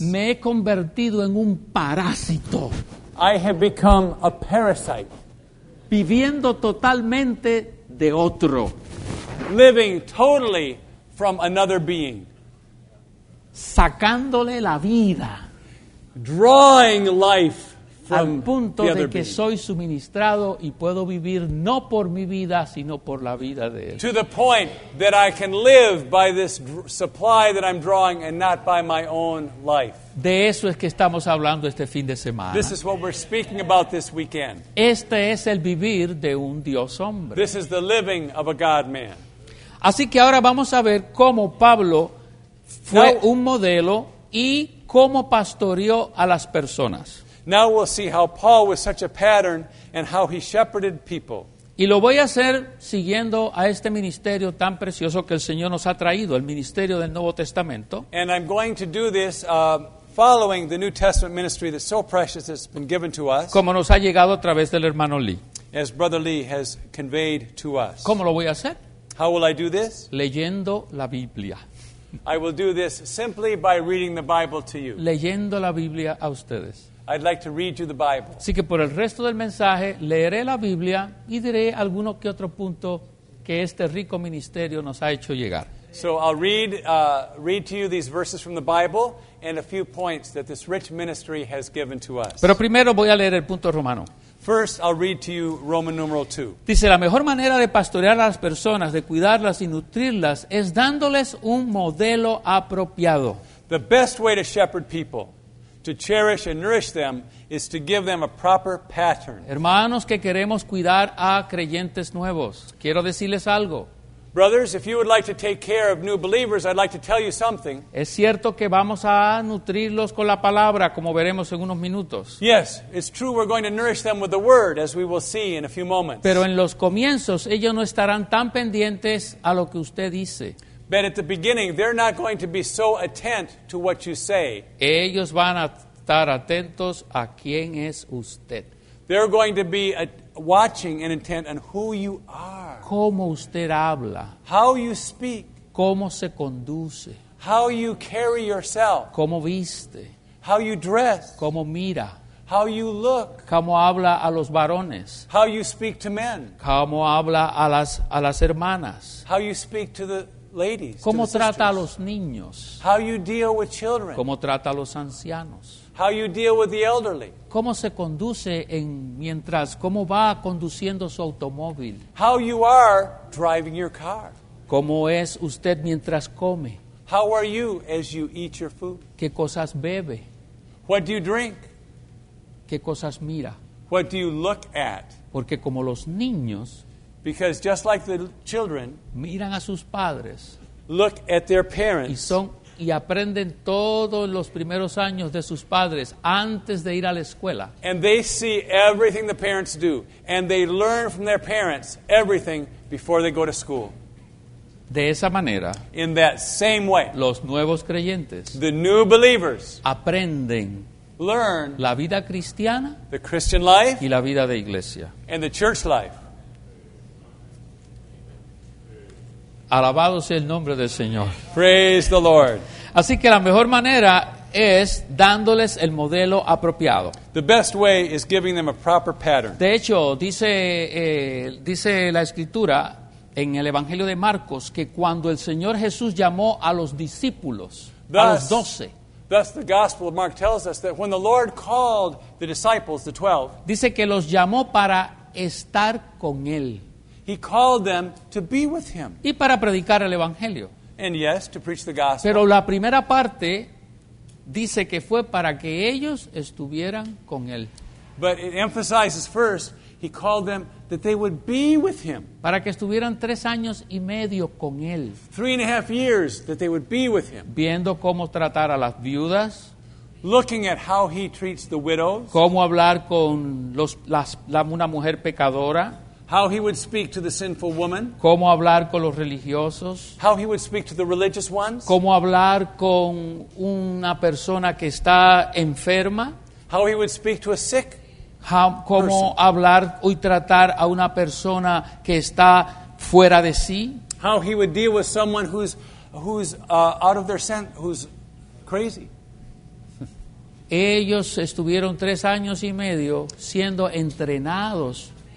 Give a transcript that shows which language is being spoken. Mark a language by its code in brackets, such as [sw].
[es] Me he convertido en un parásito. [en] I have become a parasite. [es] Viviendo totalmente de otro. [en] Living totally from another being. [es] Sacándole la vida. [en] Drawing life from the other being. [es] Al punto de que [en] being. [es] Soy suministrado y puedo vivir no por mi vida, sino por la vida de él. [en] To the point that I can live by this supply that I'm drawing and not by my own life. [es] De eso es que estamos hablando este fin de semana. [en] This is what we're speaking about this weekend. [es] Este es el vivir de un Dios hombre. [en] This is the living of a God man. [es] Así que ahora vamos a ver cómo Pablo fue un modelo y cómo pastoreó a las personas. [en] Now we'll see how Paul was such a pattern and how he shepherded people. [es] Y lo voy a hacer siguiendo a este ministerio tan precioso que el Señor nos ha traído, el ministerio del Nuevo Testamento. [en] And I'm going to do this following the New Testament ministry that's so precious that's been given to us. [es] Como nos ha llegado a través del hermano Lee. [en] As Brother Lee has conveyed to us. [es] ¿Cómo lo voy a hacer? [en] How will I do this? [es] Leyendo la Biblia. [en] I will do this simply by reading the Bible to you. [es] Leyendo la Biblia a ustedes. [en] I'd like to read you the Bible. [es] Así que por el resto del mensaje leeré la Biblia y diré alguno que otro punto que este rico ministerio nos ha hecho llegar. [en] So I'll read to you these verses from the Bible and a few points that this rich ministry has given to us. [es] Pero primero voy a leer el punto romano. [en] First, I'll read to you Roman numeral 2. [es] Dice, la mejor manera de pastorear a las personas, de cuidarlas y nutrirlas es dándoles un modelo apropiado. [en] The best way to shepherd people, to cherish and nourish them, is to give them a proper pattern. [es] Hermanos que queremos cuidar a creyentes nuevos, quiero decirles algo. [en] Brothers, if you would like to take care of new believers, I'd like to tell you something. [es] Es cierto que vamos a nutrirlos con la palabra, como veremos en unos minutos. [en] Yes, it's true we're going to nourish them with the word, as we will see in a few moments. [es] Pero en los comienzos, ellos no estarán tan pendientes a lo que usted dice. [en] But at the beginning, they're not going to be so attentive to what you say. [es] Ellos van a estar atentos a quién es usted. [en] They're going to be watching and intent on who you are. [es] Cómo usted habla. [en] How you speak. [es] Cómo se conduce. [en] How you carry yourself. [es] Cómo viste. [en] How you dress. [es] Cómo mira. [en] How you look. [es] Cómo habla a los varones. [en] How you speak to men. [es] Cómo habla a las hermanas. [en] How you speak to the ladies. [es] Cómo [en] the [es] trata [en] sisters. [es] A los niños. [en] How you deal with children. [es] Cómo trata a los ancianos. [en] How you deal with the elderly. [es] Cómo se conduce cómo va conduciendo su automóvil. [en] How you are driving your car. [es] Cómo es usted mientras come. [en] How are you as you eat your food? [es] ¿Qué cosas bebe? [en] What do you drink? [es] ¿Qué cosas mira? [en] What do you look at? [es] Porque como los niños, [en] because just like the children, [es] miran a sus padres, [en] look at their parents, [es] y aprenden todos los primeros años de sus padres antes de ir a la escuela. [en] And they see everything the parents do, and they learn from their parents everything before they go to school. [es] De esa manera, [en] in that same way, [es] los nuevos creyentes, [en] the new believers, [es] aprenden, [en] learn, [es] la vida cristiana, [en] the Christian life, [es] y la vida de iglesia, [en] and the church life. [es] Alabado sea el nombre del Señor. [en] Praise the Lord. [es] Así que la mejor manera es dándoles el modelo apropiado. [en] The best way is giving them a proper pattern. [es] De hecho, dice la Escritura, en el Evangelio de Marcos, que cuando el Señor Jesús llamó a los discípulos, [en] thus, [es] a los doce, [en] thus the Gospel of Mark tells us that when the Lord called the disciples, the 12, [es] dice que los llamó para estar con él. [en] He called them to be with him. [es] Y para predicar el Evangelio. [en] And yes, to preach the Gospel. [es] Pero la primera parte dice que fue para que ellos estuvieran con él. [en] But it emphasizes first, he called them that they would be with him. [es] Para que estuvieran 3 años y medio con él. [en] 3.5 years that they would be with him. [es] Viendo cómo tratar a las viudas. [en] Looking at how he treats the widows. [es] Cómo hablar con una mujer pecadora. [en] How he would speak to the sinful woman. [es] Cómo hablar con los religiosos. [en] How he would speak to the religious ones. [es] Cómo hablar con una persona que está enferma. [en] How he would speak to a sick. [es] Cómo hablar y tratar a una persona que está fuera de sí. [en] How he would deal with someone who's out of their sense, who's crazy. [es] Ellos estuvieron 3 años y medio siendo entrenados.